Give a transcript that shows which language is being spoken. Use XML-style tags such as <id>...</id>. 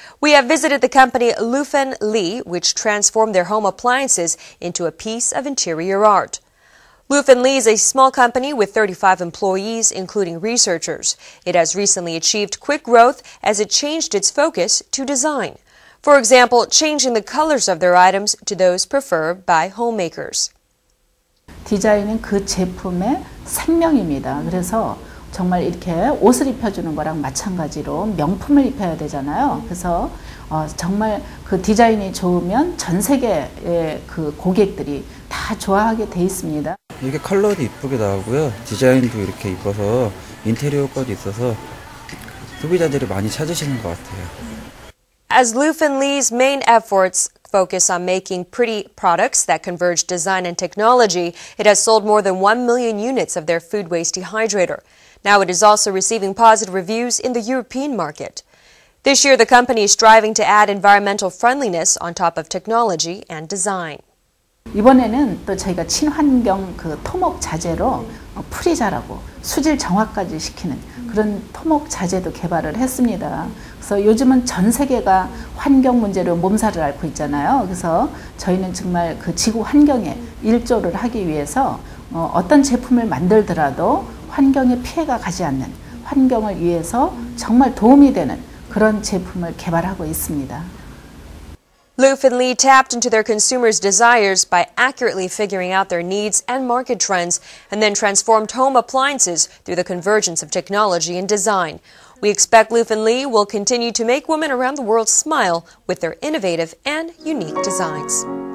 <en>We have visited the company Lufen Lee, which transformed their home appliances into a piece of interior art. Lufen Lee is a small company with 35 employees, including researchers. It has recently achieved quick growth as it changed its focus to design. For example, changing the colors of their items to those preferred by homemakers.</en> <ko>디자인은 그 제품의 생명입니다. 그래서 정말 이렇게 옷을 입혀주는 거랑 마찬가지로 명품을 입혀야 되잖아요. 그래서 정말 그 디자인이 좋으면 전 세계의 그 고객들이 다 좋아하게 돼 있습니다. 이게 컬러도 이쁘게 나오고요. 디자인도 이렇게 입어서 인테리어까지 있어서 소비자들이 많이 찾으시는 것 같아요.</ko> <en>As Lufen Lee's main efforts focus on making pretty products that converge design and technology, it has sold more than 1 million units of their food waste dehydrator. Now it is also receiving positive reviews in the European market. This year, the company is striving to add environmental friendliness on top of technology and design.</en> <ko>이번에는 또 저희가 친환경 그 토목 자재로 프리자라고 수질 정화까지 시키는 그런 토목 자재도 개발을 했습니다. 그래서 요즘은 전 세계가 환경 문제로 몸살을 앓고 있잖아요. 그래서 저희는 정말 그 지구 환경에 일조를 하기 위해서 어떤 제품을 만들더라도 환경에 피해가 가지 않는 환경을 위해서 정말 도움이 되는 그런 제품을 개발하고 있습니다.</ko> <en>Lufen Lee tapped into their consumers' desires by accurately figuring out their needs and market trends and then transformed home appliances through the convergence of technology and design. We expect Lufen Lee will continue to make women around the world smile with their innovative and unique designs.</en>